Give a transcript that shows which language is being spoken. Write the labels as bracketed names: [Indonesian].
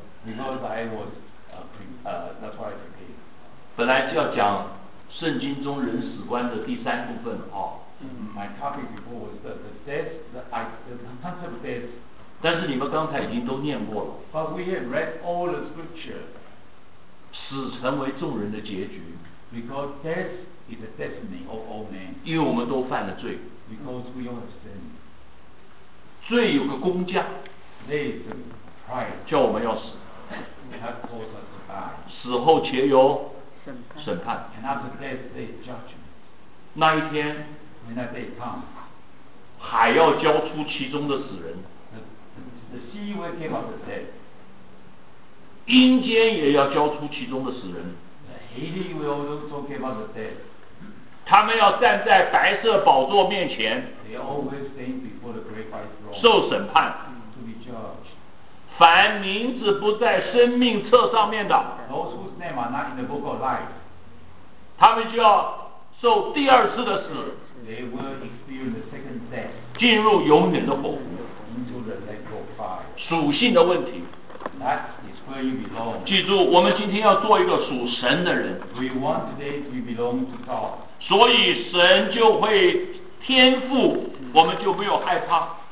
[English] Because I was that's why I prepared。 [Chinese] 本来就要讲圣经中人死观的第三部分啊。 [English] My topic before was the concept of death。 [Chinese] 但是你们刚才已经都念过了。 [English] But we have read all the scripture。 [Chinese] 死成为众人的结局。 [English] Because death。 It's a destiny of all men. [Chinese] 因为我们都犯了罪。 [English] Because we all have sinned. [Chinese] 罪有个工价。 [English] There is a price. [Chinese] 叫我们要死。 [English] That causes us to die. [Chinese] 死后且有审判。 [English] And after death, there is judgment. [Chinese] 那一天。 [English] When that day comes. [Chinese] 海要交出其中的死人。 [English] The sea will give up the dead. [Chinese] 阴间也要交出其中的死人。 [English] Hades will also give up the dead. [Chinese] 他们要站在白色宝座面前。 [English] They always stand before the great white throne. [Chinese] 受审判。 [English] To be judged. [Chinese] 凡名字不在生命册上面的。 [English] Those whose name are not in the book of life. [Chinese] 他们就要受第二次的死。 [English] They will experience the second death. [Chinese] 进入永远的火湖。 [English] Into the lake of fire. [Chinese] 属性的问题。 [English] That is where you belong. [Chinese] 记住，我们今天要做一个属神的人。 [English] We want today to belong to God. [Chinese] 所以神就会天父，我们就没有害怕。